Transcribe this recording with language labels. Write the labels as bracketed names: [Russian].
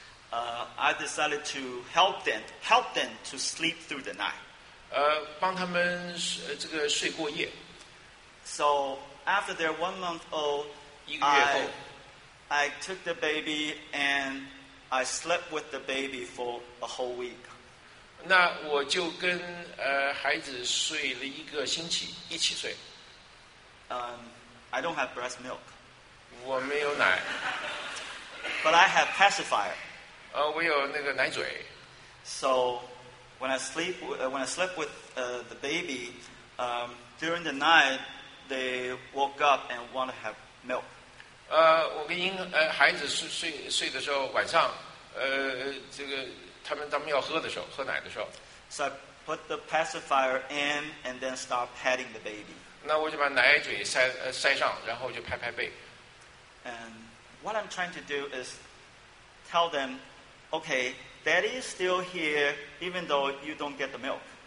[English] I decided to help them to sleep through the night. [Chinese] 帮他们这个睡过夜。 [English] So after they're 1 month old, [Chinese] 一个月后 [English] I took the baby and I slept with the baby for a whole week. [Chinese] 那我就跟孩子睡了一个星期，一起睡。 [English] I don't have breast milk. [Chinese] 我没有奶。 [English] But I have pacifier. [Chinese] 我有那个奶嘴。 [English] So when I slept with the baby, during the night, they woke up and want to have milk. [Chinese] 我跟婴孩子睡的时候，晚上，这个他们要喝的时候，喝奶的时候。 [English] So I put the pacifier in and then start patting the baby. [Chinese] 那我就把奶嘴塞上，然后就拍拍背。 [English] And what I'm trying to do is tell them, okay, daddy is still here, even though you don't get the milk.